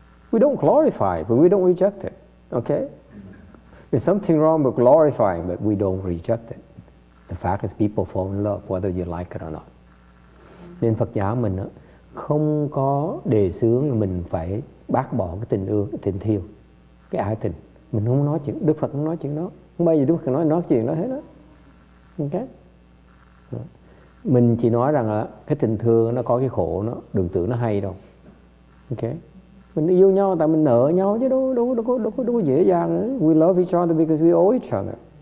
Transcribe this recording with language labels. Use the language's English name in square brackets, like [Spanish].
[English] We don't glorify, but we don't reject it. Okay, there's something wrong with glorifying, but we don't reject it. The fact is people fall in love whether you like it or not. [Vietnamese] Nên Phật giáo mình không có đề xướng mình phải bác bỏ cái tình yêu, cái tình thiêu, cái ái tình. Mình không nói chuyện, Đức Phật không nói chuyện đó. Không bao giờ Đức Phật nói chuyện đó hết đó. Okay. Mình chỉ nói rằng là cái tình thương nó có cái khổ nó, đừng tưởng nó hay đâu. Okay. Mình yêu nhau tại mình nợ nhau chứ đâu có dễ dàng. [English] We love each other because we owe each other.